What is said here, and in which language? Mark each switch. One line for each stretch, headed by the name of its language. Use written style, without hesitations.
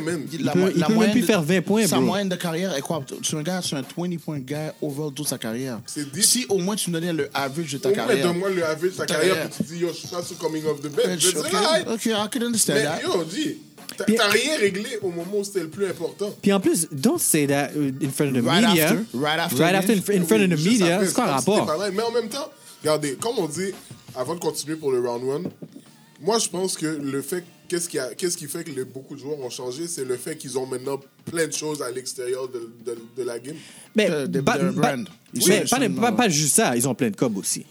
French: même. Il peut même plus faire 20 points, bro. Sa moyenne de carrière est quoi? Tu regardes, c'est un 20-point guy over toute sa carrière. C'est dit. Si au moins tu donnais le average de ta carrière. Au moins, donne-moi le average de ta carrière, puis tu dis, yo, je suis pas
English: coming off the bench. Okay, I can understand
French: that. Mais yo, dis... T'as rien réglé au moment où c'était le plus important. Puis en plus,
English: don't say that in front of the media. Right after, in front of the media.
French: C'est quoi le rapport? Mais en même temps, regardez, comme on dit, avant de continuer pour le round one, moi je pense que le fait, qu'est-ce qui fait que beaucoup de joueurs ont changé, c'est le fait qu'ils ont maintenant plein de choses à l'extérieur de la game. Mais pas juste ça, ils ont plein de cobs aussi.